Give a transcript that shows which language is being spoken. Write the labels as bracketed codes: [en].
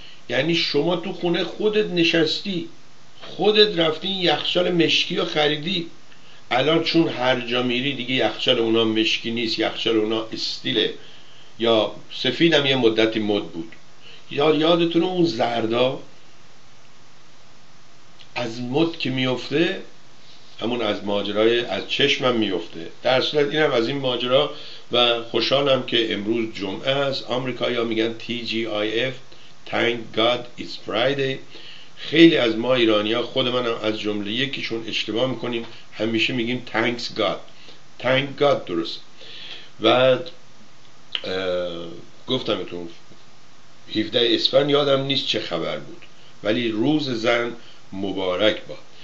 [fa] یعنی شما تو خونه خودت نشستی، خودت رفتی این یخچال مشکی رو خریدی، الان چون هر جا میری دیگه یخچال اونا مشکی نیست، یخچال اونا استیله یا سفید، هم یه مدتی مد بود. یادتونه اون زردا از مد که میفته، همون از ماجرای از چشمم میفته. در صورت اینم از این ماجرا، و خوشحالم که امروز جمعه است. آمریکایی‌ها میگن [en] TGIF، Thank God It's Friday. [fa] خیلی از ما ایرانی ها، خود منم از جمله یکیشون، اشتباه میکنیم، همیشه میگیم [en] Thanks God، Thank God [fa] درست. و گفتم اتون 17 اسفند یادم نیست چه خبر بود، ولی روز زن مبارک باد.